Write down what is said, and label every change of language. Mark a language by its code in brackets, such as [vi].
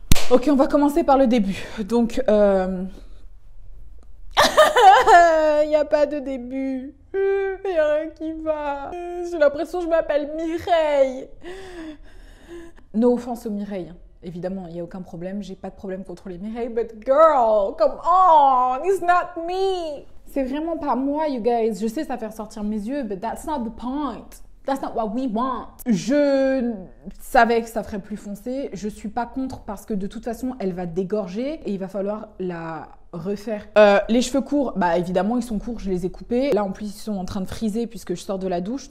[fr] Ok, on va commencer par le début. Donc, il n'y a pas de début. Il n'y a rien qui va. J'ai l'impression que je m'appelle Mireille. [en] No offense aux Mireilles. [fr] Évidemment, il n'y a aucun problème. J'ai pas de problème contre les Mireilles. [en] But girl, come on, it's not me. [fr] C'est vraiment pas moi, [en] you guys. [fr] Je sais, ça fait ressortir mes yeux, [en] but that's not the point. That's not what we want. [fr] Je savais que ça ferait plus foncé. Je suis pas contre parce que de toute façon, elle va dégorger et il va falloir la refaire. Les cheveux courts, bah évidemment, ils sont courts, je les ai coupés. Là, en plus, ils sont en train de friser puisque je sors de la douche.